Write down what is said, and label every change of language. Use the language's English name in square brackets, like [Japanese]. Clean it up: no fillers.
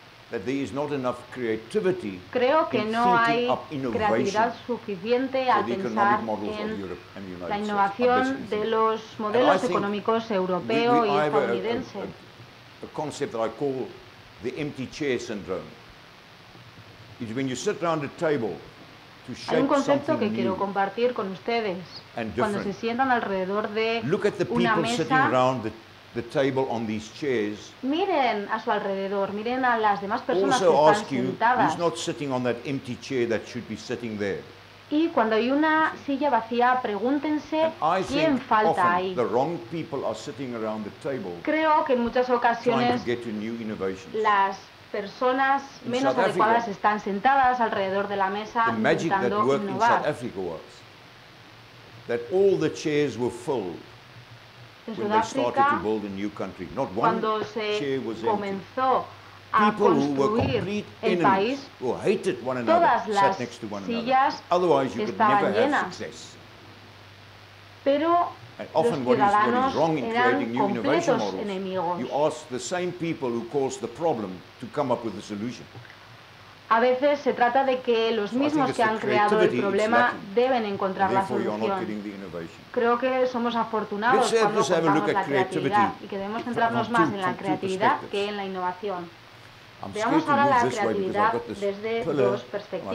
[English] that there is not enough creativity. [Spanish] Creo que no hay creatividad suficiente al pensar en la innovación de los modelos económicos europeo y estadounidense. [English] A concept that I call the empty chair syndrome. It's when you sit around a table to shape something new. [Spanish] Hay un concepto que quiero compartir con ustedes. Cuando se sientan alrededor de una mesa. [English] Look at the people sitting around the table on these chairs. [Spanish] Miren a su alrededor, miren a las demás personas que están sentadas. [English] Who's not sitting on that empty chair that should be sitting there? [Spanish] Y cuando hay una silla vacía, pregúntense quién falta ahí. [English] The wrong people are sitting around the table. [Spanish] Creo que en muchas ocasiones las personas menos adecuadas están sentadas alrededor de la mesa intentando innovar. [English] South Africa was that all the chairs were filled. [Spanish] En Sudáfrica, cuando se comenzó a construir el país, todas las sillas estaban llenas. Pero los ciudadanos eran completos enemigos. [English] The same people who caused the problem to come up with the solution. [Spanish] A veces se trata de que los mismos que han creado el problema deben encontrar la solución. Creo que somos afortunados cuando contamos la creatividad y que debemos centrarnos más en la creatividad que en la innovación. Veamos ahora la creatividad desde dos perspectivas.